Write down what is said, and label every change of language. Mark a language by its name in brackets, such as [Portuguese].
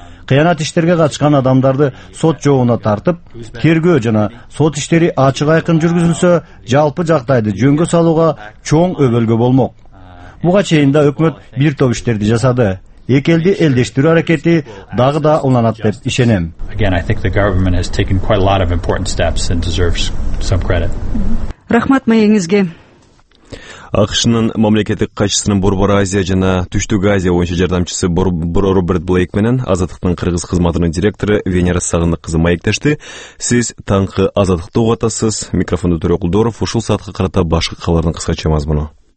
[Kyrgyz] Кыянат иштерге катышкан адамдарды сот жообуна тартып, тергөө жана сот иштери ачык айкын жүргүзүлсө, жалпы жагдайды жөнгө салууга чоң өбөлгө болмок. Буга чейин да өкмөт бир топ иштерди жасады. Эки элди элдештирүү аракети дагы да уланат деп ишенем. [English] Again, I think the government has taken quite a lot of important steps and deserves some credit. [Kyrgyz] Рахмат маегиңизге. АКШнын мамлекеттик катчысынын Борбор Азия жана Түштүк Азия боюнча жардамчысы Роберт Блейк менен Азаттыктын кыргыз кызматынын директору Венера Сагынык кызы маектешти. Сиз таңкы Азаттыкты угатасыз. Микрофонду Төрөкулдоров ушул саатка карата башкы кабарлардын кыскача мазмуну.